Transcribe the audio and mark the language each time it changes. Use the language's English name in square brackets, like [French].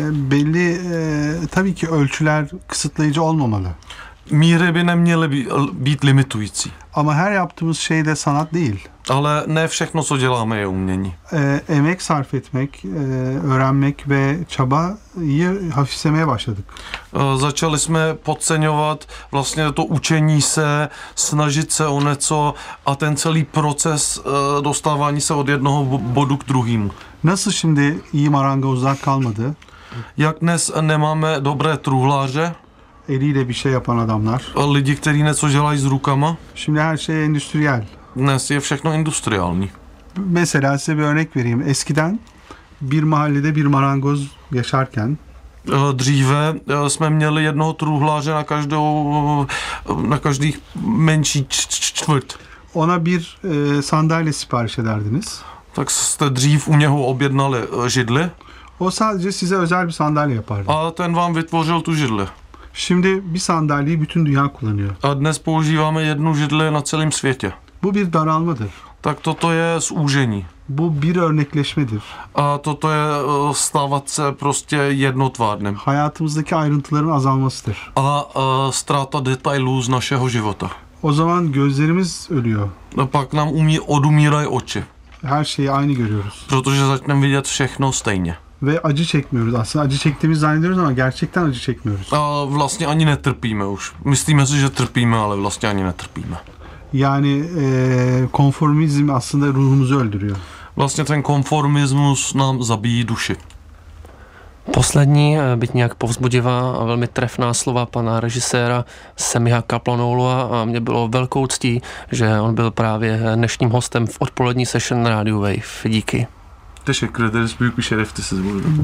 [Turkish] Belli tabii ki ölçüler kısıtlayıcı olmamalı. [Czech] Míry by neměly být limitující. [Turkish] Ama her yaptığımız şey de sanat değil. [Czech] Ale ne všechno, co děláme, je umění. [Turkish] Emek sarf etmek, öğrenmek ve çabayı hafiflemeye başladık. [Czech] Začali jsme podceňovat vlastně to učení se, snažit se o něco a ten celý proces dostávání se od jednoho bodu k druhému. [Turkish] Nasıl şimdi iyi marangozlar kalmadı? [Czech] Jak dnes nemáme dobré truhláře? [Turkish] Eliyle bir şey yapan adamlar. [Czech] Lidi, kteří něco dělají s rukama. [Turkish] Şimdi her şey endüstriyel. [Czech] Dnes je všechno industriální. [Turkish] Mesela size bir örnek vereyim. Eskiden bir mahallede bir marangoz yaşarken. [Czech] Dříve jsme měli jednoho truhláře na každou, na každý menší čtvrt. [Turkish] Ona bir sandalye sipariş ederdiniz. [Czech] Tak jste dřív u něho objednali židli. [Turkish] O sadece size özel bir sandalye yapardı. [Czech] A ten vám vytvořil tu židli. [Turkish] Şimdi bir sandalyeyi bütün dünya kullanıyor. [Czech] A dnes používáme jednu židli na celém světě. [Turkish] Bu bir daralmadır. [Czech] Tak toto je zúžení. [Turkish] Bu bir örnekleşmedir. [Czech] A toto je stávat se prostě jednotvárným. [Turkish] Hayatımızdaki ayrıntıların azalmasıdır. [Czech] A ztráta detailů z našeho života. [Turkish] O zaman gözlerimiz ölüyor. [Czech] A pak nám odumírají oči. [Turkish] Her şeyi aynı görüyoruz. [Czech] Protože začneme vidět všechno stejně. [Turkish] Ve acı çekmiyoruz aslında. Acı çektiğimizi zannediyoruz ama gerçekten acı çekmiyoruz. [Czech] A vlastně ani netrpíme už. Myslíme si, že trpíme, ale vlastně ani netrpíme. [Turkish] Yani konformizm aslında ruhumuzu öldürüyor. [Czech] Vlastně ten konformismus nám zabíjí duši. Poslední, byť nějak povzbudivá a velmi trefná slova pana režiséra Semiha Kaplanoulua a mě bylo velkou ctí, že on byl právě dnešním hostem v odpolední session Radio Wave. Díky. [Turkish] Teşekkür ederiz. Büyük bir şerefti siz burada.